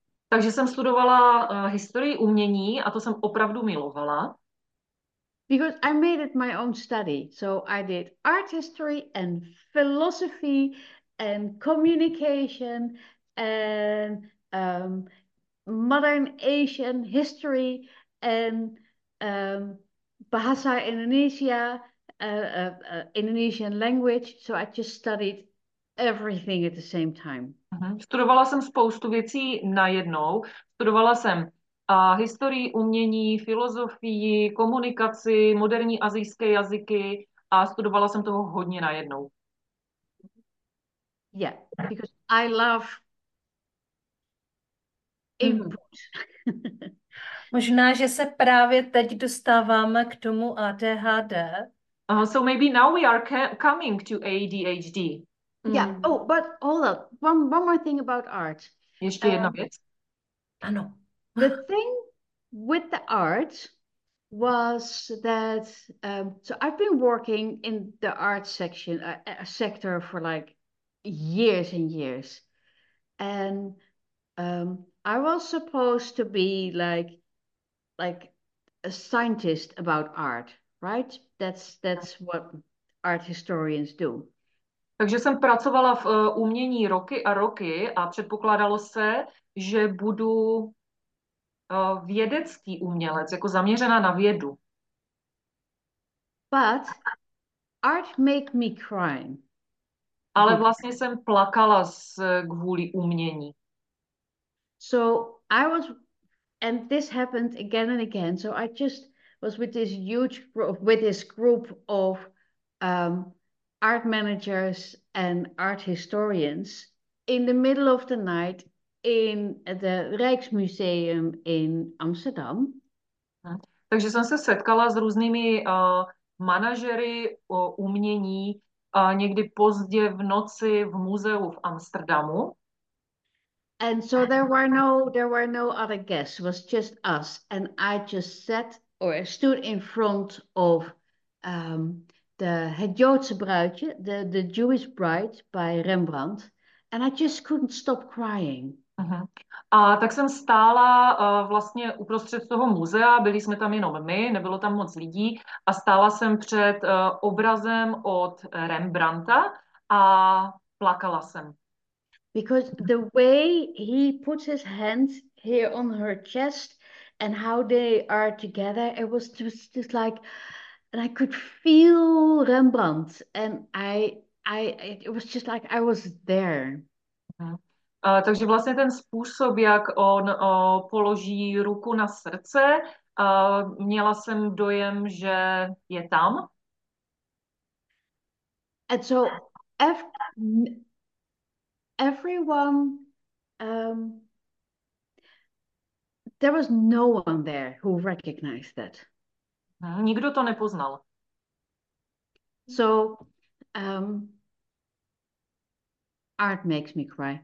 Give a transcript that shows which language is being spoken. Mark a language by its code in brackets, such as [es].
[cs] Takže jsem studovala historii umění a to jsem opravdu milovala. [en] Because I made it my own study. So I did art history and philosophy and communication and modern Asian history and Bahasa Indonesia, Indonesian language. So I just studied everything at the same time. [cs] Studovala jsem spoustu věcí najednou. Studovala jsem historii umění, filozofii, komunikaci, moderní asijské jazyky a studovala jsem toho hodně najednou. [en] Yeah, because I love input. [cs] Možná, že se právě teď dostáváme k tomu ADHD. [en] So maybe now we are coming to ADHD. Yeah. Oh, but hold up. One more thing about art. [cs] Ještě jedna věc. Ano. [en] The thing with the art was that so I've been working in the art section sector for like years and years, and I was supposed to be like a scientist about art, right? That's what art historians do. [cs] Takže jsem pracovala v umění roky a roky a předpokládalo se, že budu vědecký umělec, jako zaměřená na vědu. [en] But art make me cry. [cs] Ale vlastně jsem plakala z kvůli umění. [en] So I was, and this happened again and again. So I just was with this huge group, with this group of art managers and art historians in the middle of the night in the Rijksmuseum in Amsterdam. [cs] Takže jsem se setkala s různými manažery umění někdy pozdě v noci v muzeu v Amsterdamu. [en] And so there were no other guests. It was just us, and I just sat or stood in front of the Het Joodse bruidje, the Jewish bride by Rembrandt, and I just couldn't stop crying. [cs] A tak jsem stála vlastně uprostřed toho muzea, byli jsme tam jenom my, nebylo tam moc lidí a stála jsem před obrazem od Rembrandta a plakala jsem. [en] Because the way he puts his hand here on her chest and how they are together, it was just like, and I could feel Rembrandt and it was just like I was there. [cs] Takže vlastně ten způsob, jak on položí ruku na srdce, měla jsem dojem, že je tam. [en] And so everyone, there was no one there who recognized that. [cs] Nikdo to nepoznal. [en] So, art makes me cry.